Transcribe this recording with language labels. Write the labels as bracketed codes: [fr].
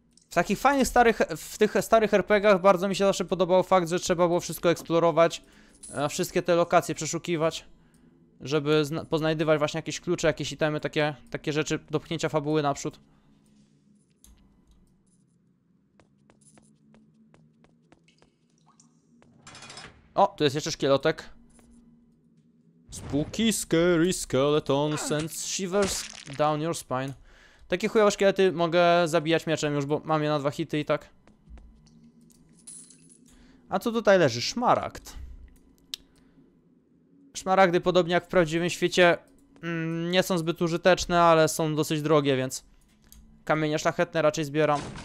[pl] W takich fajnych starych, w tych starych RPG-ach bardzo mi się zawsze podobał fakt, że trzeba było wszystko eksplorować, wszystkie te lokacje przeszukiwać, żeby poznajdywać właśnie jakieś klucze, jakieś itemy, takie rzeczy do pchnięcia fabuły naprzód. O, tu jest jeszcze szkieletek. [en] Spooky, scary skeletons and shivers down your spine. [pl] Takie chujowe szkielety mogę zabijać mieczem już, bo mam je na dwa hity i tak. A co tutaj leży? Szmaragd. Szmaragdy, podobnie jak w prawdziwym świecie, nie są zbyt użyteczne, ale są dosyć drogie, więc kamienie szlachetne raczej zbieram.